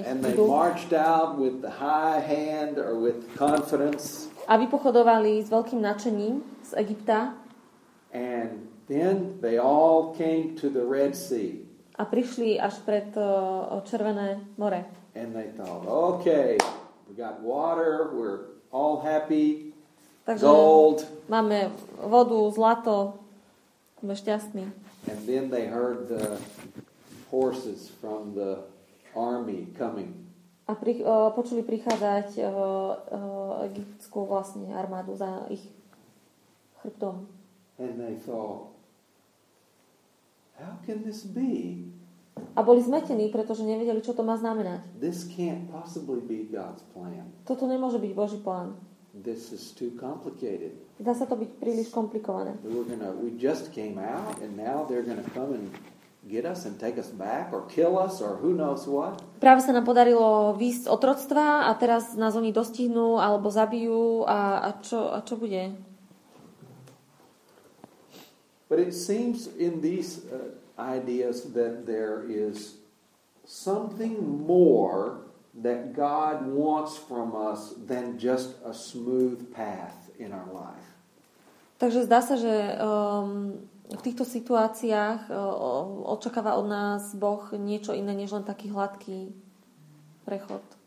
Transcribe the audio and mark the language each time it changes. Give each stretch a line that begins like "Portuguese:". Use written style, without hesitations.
English: And they marched out with the high hand or with confidence.
Slovak: A vypochodovali s veľkým nadšením z Egypta.
English: And then they all came to the Red Sea.
Slovak: A prišli až pred Červené more.
English: And they thought, okay, we got water, we're all happy,
Slovak: takže
English: gold.
Slovak: Máme vodu, zlato, sme šťastní.
English: And then they heard the horses from the army coming.
Slovak: A počuli prichádzať egyptskú vlastne armádu za ich chrbtom.
English: And they thought, how can this be?
Slovak: A boli zmetení, pretože nevedeli, čo to má znamenať.
English: This can't possibly be God's plan.
Slovak: Toto nemôže byť Boží plán.
English: This is too complicated.
Slovak: Dá sa to byť príliš komplikované.
English: We just came out and now they're going to come and get us and take us back or kill us or who knows what.
Slovak: Práve sa nám podarilo výjsť z otroctva a teraz nás oni dostihnú alebo zabijú a čo bude?
English: But it seems in these ideas that there is something more that God wants from us than just a smooth path in our life.
Slovak: Takže zdá sa, že v týchto situáciách očakáva od nás Boh niečo iné, než len taký hladký prechod.